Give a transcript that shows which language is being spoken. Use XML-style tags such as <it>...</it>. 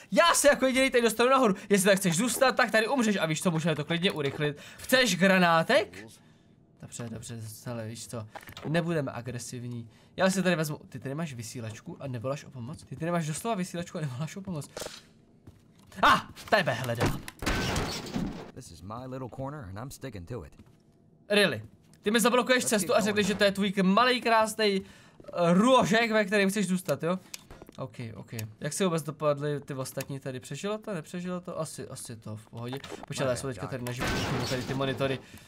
<cs>Já se jako jediný tady dostanu nahoru. Jestli tak chceš zůstat, tak tady umřeš a víš co, můžeme to klidně urychlit. Chceš granátek? Dobře, dobře, ale víš co, nebudeme agresivní. Já si tady vezmu, ty tady máš vysílačku a nevoláš o pomoc? Ty tady máš doslova vysílačku a nevoláš o pomoc? Ah, tebe hledám.</cs> <en>This is my little corner and I'm sticking to it. Really?</en> <cs>Ty mi zablokuješ cestu a řekneš, že to je tvůj malý krásný růžek, ve kterém chceš zůstat, jo? OK, OK. Jak si vůbec dopadly ty ostatní tady? Přežilo to? Nepřežilo to? Asi to v pohodě. Počkej, já jsem teďka tady na životě, tady ty monitory.</cs>